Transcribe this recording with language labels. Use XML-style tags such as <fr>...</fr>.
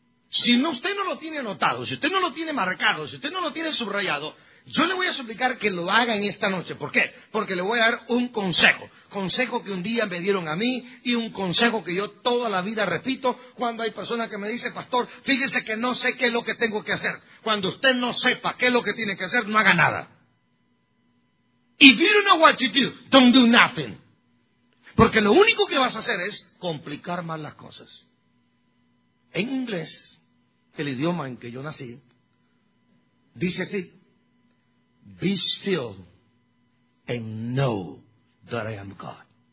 <es>Si no, usted no lo tiene anotado, si usted no lo tiene marcado, si usted no lo tiene subrayado, yo le voy a suplicar que lo haga en esta noche. ¿Por qué? Porque le voy a dar un consejo. Consejo que un día me dieron a mí y un consejo que yo toda la vida repito cuando hay personas que me dicen, pastor, fíjese que no sé qué es lo que tengo que hacer. Cuando usted no sepa qué es lo que tiene que hacer, no haga nada.</es> <en>If you don't know what you do, don't do nothing.</en> <es>Porque lo único que vas a hacer es complicar más las cosas. En inglés, el idioma en que yo nací, dice así,</es> <en>be still and know that I am God.</en>